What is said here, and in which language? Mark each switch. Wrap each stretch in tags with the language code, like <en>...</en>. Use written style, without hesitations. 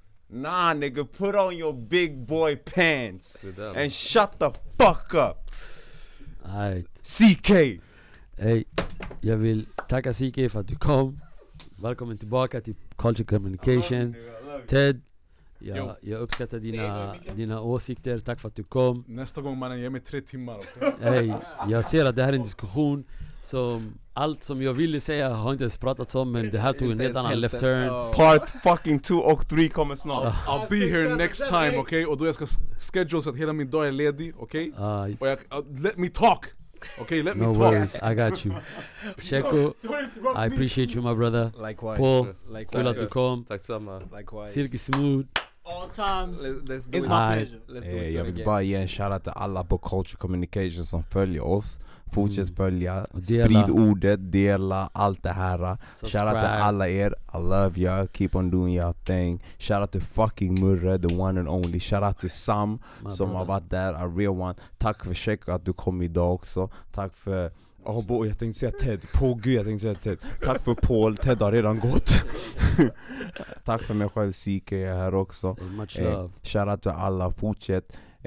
<en>Nah, nigga, put on your big boy pants. And shut the fuck up. All right. CK.</en> <sv>Hej, jag vill tacka CK för att du kom. Välkommen tillbaka till Culture Communication.</sv> <en>I love you. Ted,</en> <sv>Jag uppskattar dina, dina åsikter. Tack för att du kom. Nästa gång mannen, ge mig 3 timmar. Hey, jag ser att det här är en diskussion som allt som jag ville säga har inte ens pratats om, men det här tog en helt annan</sv> <en>left turn. Part fucking</en> <sv>2 och 3 kommer snart.</sv> <en>I'll be here next time, okej?</en> <sv>Okay? Och då jag ska schedule så att hela min dag är ledig, okej?</sv> <en>Okay? Let me talk! Okay, let no me worries, I got you. Sheku, I appreciate you, my brother. Likewise. Paul, cool that you come.</en> <sv>Tack så mycket.</sv> <en>Likewise. Silky smooth. All times. Let's do it. My pleasure. Let's do it.</en> <sv>Jag vill bara ge en shout out till alla på Culture Communication som följer oss. Fortsätt följa. Sprid ordet. Dela allt det här.</sv> <en>Shout out</en> <sv>till alla er.</sv> <en>I love ya. Keep on doing your thing. Shout out to fucking Murre, the one and only. Shout out to Sam my som brother.</en> <sv>Har varit där.</sv> <en>A real one.</en> <sv>Tack för Sheku att du kom idag också. Tack för...</sv> <en>Oh, boy,</en> <sv>jag tänkte säga Ted. På gud, jag tänkte säga Ted. Tack för Paul. Ted har redan gått. Tack för mig själv. CK är här också. Shout out till alla. Fortsätt.</sv>